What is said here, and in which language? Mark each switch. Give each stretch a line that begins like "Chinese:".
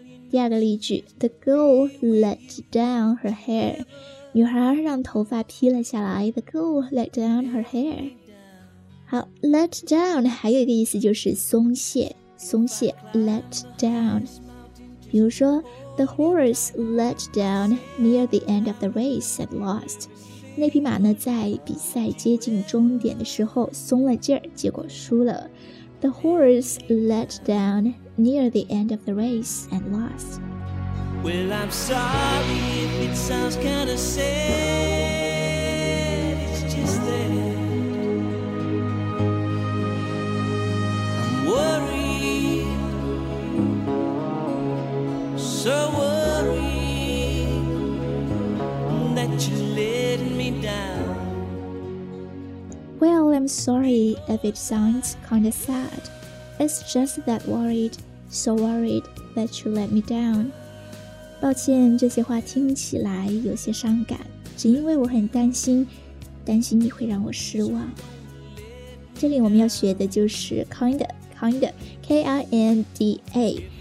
Chinese: 第二个例句，
English: The girl let down her hair，
Chinese: 女孩让头发披了下来。
English: The girl let down her hair。
Chinese: 好，
English: let down
Chinese: 还有一个意思就是松懈，松懈，
English: let down。
Chinese: 比如说
English: The horse let down near the end of the race and lost.
Chinese: 那匹马呢在比赛接近终点的时候松了劲儿，结果输了。
English: The horse let down near the end of the race and lost. Well, I'm sorry if it sounds kind of sad. It's just that I'm worried. So worried that you let me down. Well, I'm sorry if it sounds kind of sad. It's just that worried. So worried that you let me down.
Chinese: 抱歉，这些话听起来有些伤感，只因为我很担心，担心你会让我失望。这里我们要学的就是 kinda, K-I-N-D-A。